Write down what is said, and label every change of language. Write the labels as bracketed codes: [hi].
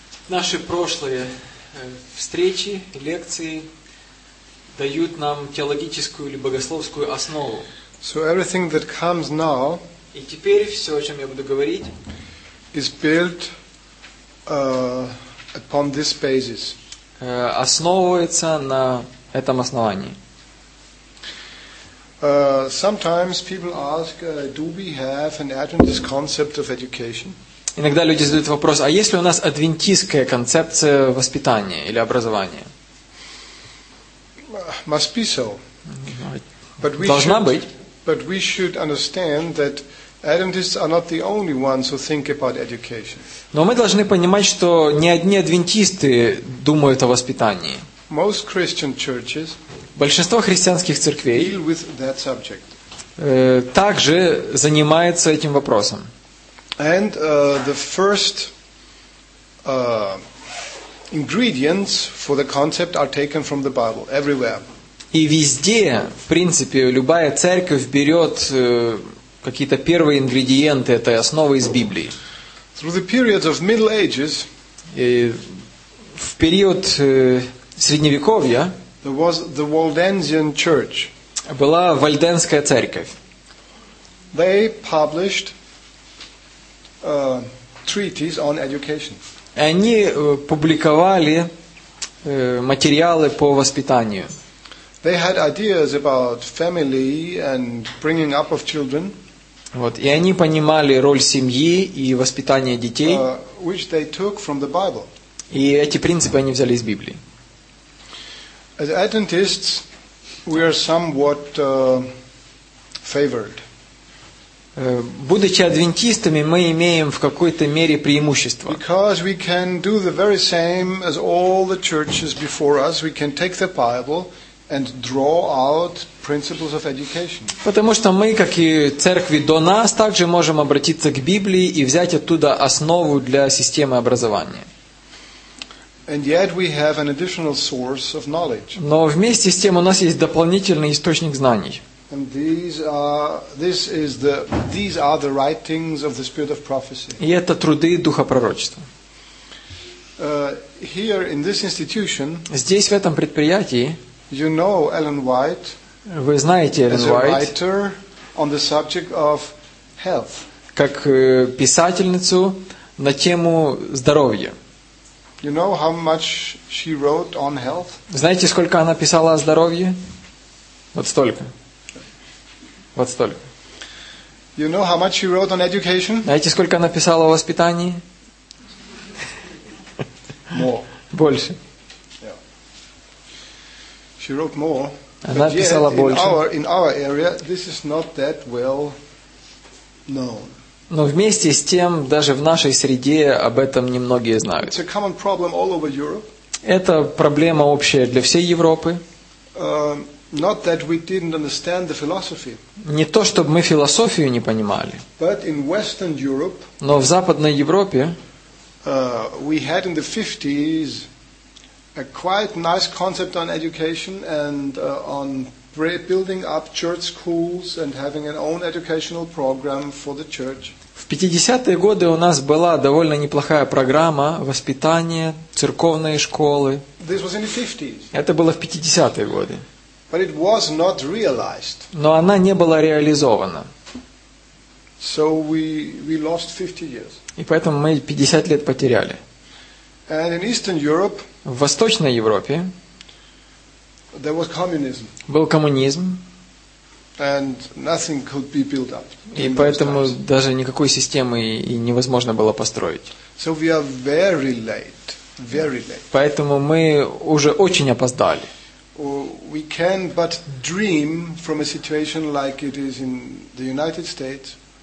[ru] Наши прошлые встречи, лекции дают нам теологическую или богословскую основу. [en] So everything that comes now, [ru] и теперь все, о чем я буду говорить, [en] is built upon this basis. [ru] Основывается на этом основании. [en] Sometimes people ask, do we have an Adventist concept of education? [ru] Иногда люди задают вопрос, а есть ли у нас адвентистская концепция воспитания или образования? [en] Must be so. But we [ru] должна [en] should, [ru] быть. [en] But we should understand that Adventists are not the only ones who think about education. [ru] Но мы должны понимать, что не одни адвентисты думают о воспитании. [en] Most Christian churches [ru] большинство христианских церквей [en] deal with that subject. [ru] Также занимается этим вопросом. [en] And the first ingredients for the concept are taken from the Bible everywhere. [ru] И везде, в принципе, любая церковь берет какие-то первые ингредиенты этой основы из Библии. [en] Through the periods of Middle Ages, [ru] в период Средневековья [en] there was the Waldensian church. [ru] Была Вальденская церковь. [en] They published treatises on education. [ru] Они публиковали материалы по воспитанию. [en] They had ideas about family and bringing up of children. [ru] Вот, и они понимали роль семьи и воспитания детей. [en] Which they took from the Bible. [ru] И эти принципы они взяли из Библии. [en] As Adventists, we are somewhat favored. [ru] Будучи адвентистами, мы имеем в какой-то мере преимущество. [en] Because we can do the very same as all the churches before us, we can take the Bible and draw out principles of education. [ru] Потому что мы, как и церкви до нас, также можем обратиться к Библии и взять оттуда основу для системы образования. [en] And yet we have an additional source of knowledge. [ru] Но вместе с тем у нас есть дополнительный источник знаний. [en] And these are the writings of the Spirit of Prophecy. [ru] И это труды Духа Пророчества. [en] Here in this institution, [ru] здесь в этом предприятии, [en] you know Ellen White. [ru] Вы знаете Эллен Уайт. [en] As a writer on the subject of health. [ru] Как писательницу на тему здоровья. [en] You know how much she wrote on health? [ru] Знаете, сколько она писала о здоровье? Вот столько. Вот столько. [en] You know how much she wrote on education? [ru] Знаете, сколько она писала о воспитании? [en] More. [ru] Больше. [en] Yeah. She wrote more. [ru] Она писала больше. [en] In our area, this is not that well known. [ru] Но вместе с тем, даже в нашей среде об этом немногие знают. [en] It's a common problem all over Europe. [ru] Это проблема общая для всей Европы. [en] Not that we didn't understand the philosophy. [ru] Не то, чтобы мы философию не понимали. [en] But in Western Europe, [ru] но в Западной Европе [en] we had in the 50s a quite nice concept on education and on building up church schools and having an own educational program for the church. [ru] В 50-е годы у нас была довольно неплохая программа воспитания, церковные школы. [en] This was in the 50s. [ru] Это было в 50-е годы. [en] But it was not realized. [ru] Но она не была реализована. [en] So we lost 50 years. [ru] И поэтому мы 50 лет потеряли. [en] And in Eastern Europe, [ru] в Восточной Европе [en] there was communism. [ru] Был коммунизм. [en] And nothing could be built up. [ru] И поэтому даже никакой системы и невозможно было построить. [en] So we are very late, very late. [ru] Поэтому мы уже очень опоздали. [en] We can but dream from a situation like it is in the United States.